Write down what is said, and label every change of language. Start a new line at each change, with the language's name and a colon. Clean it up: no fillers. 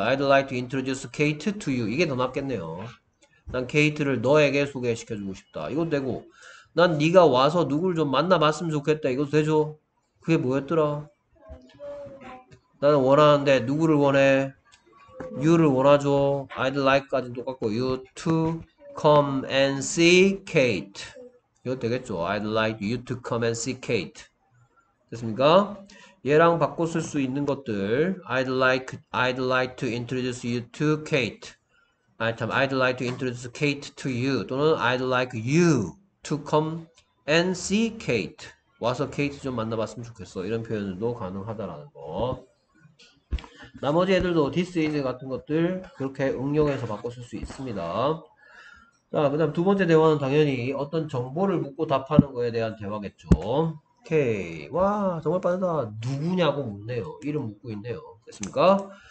English: I'd like to introduce Kate to you.
Korean: 이게 더 낫겠네요. 난 케이트를 너에게 소개시켜주고 싶다. 이거 되고, 난 네가 와서 누굴 좀 만나봤으면 좋겠다. 이거 되죠? 그게 뭐였더라? 나는 원하는데 누구를 원해? You를 원하죠.
English: I'd like까지 똑같고, you to come and see Kate.
Korean: 이거 되겠죠?
English: I'd like you to come and see Kate.
Korean: 됐습니까? 얘랑 바꿔 쓸수 있는 것들.
English: I'd like to introduce you to Kate. I'd like to introduce Kate to you. 또는 I'd like you to come and see Kate.
Korean: 와서 Kate 좀 만나봤으면 좋겠어. 이런 표현도 가능하다라는 거. 나머지 애들도 this is 같은 것들 그렇게 응용해서 바꿔 쓸수 있습니다. 자, 그 다음 두 번째 대화는 당연히 어떤 정보를 묻고 답하는 거에 대한 대화겠죠. 오케이. 와, 정말 빠르다. 누구냐고 묻네요. 이름 묻고 있네요. 됐습니까?